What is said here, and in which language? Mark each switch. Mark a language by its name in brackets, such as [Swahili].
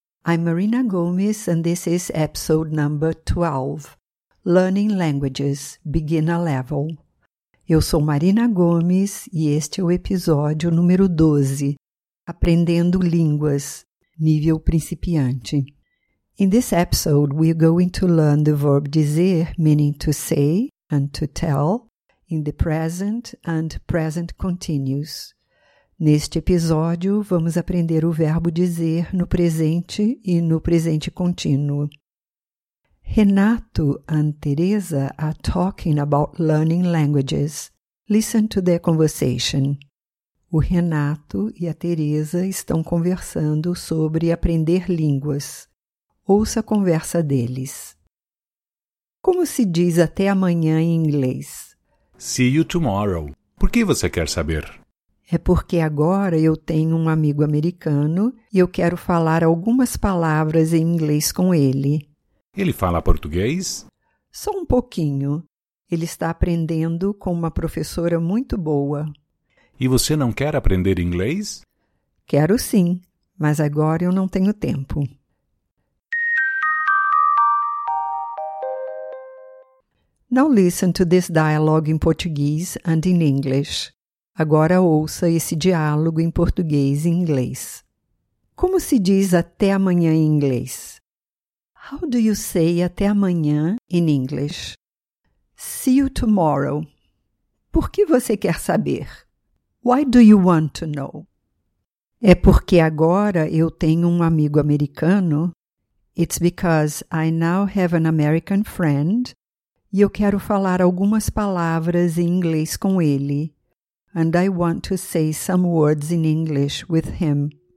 [English] I'm Marina Gomes and this is episode number 12, Learning Languages, Beginner Level. [Portuguese] Eu sou Marina Gomes e este é o episódio número 12, Aprendendo Línguas, Nível Principiante. [English] In this episode, we're going to learn the verb dizer, meaning to say and to tell, in the present and present continuous. [Portuguese] Neste episódio, vamos aprender o verbo dizer no presente e no presente contínuo. [English] Renato and Teresa are talking about learning languages. Listen to their conversation. [Portuguese] O Renato e a Teresa estão conversando sobre aprender línguas. Ouça a conversa deles. Como se diz até amanhã em inglês? [English] See you tomorrow. [Portuguese] Por que você quer saber? É porque agora eu tenho um amigo americano e eu quero falar algumas palavras em inglês com ele. Ele fala português? Só um pouquinho. Ele está aprendendo com uma professora muito boa. E você não quer aprender inglês? Quero sim, mas agora eu não tenho tempo. [English] Now listen to this dialogue in Portuguese and in English. [Portuguese] Agora ouça esse diálogo em português e inglês. Como se diz até amanhã em inglês? [English] How do you say até amanhã in English? See you tomorrow. [Portuguese] Por que você quer saber? [English] Why do you want to know? [Portuguese] É porque agora eu tenho um amigo americano. [English] It's because I now have an American friend. [Portuguese] E eu quero falar algumas palavras em inglês com ele. [English] And I want to say some words in English with him.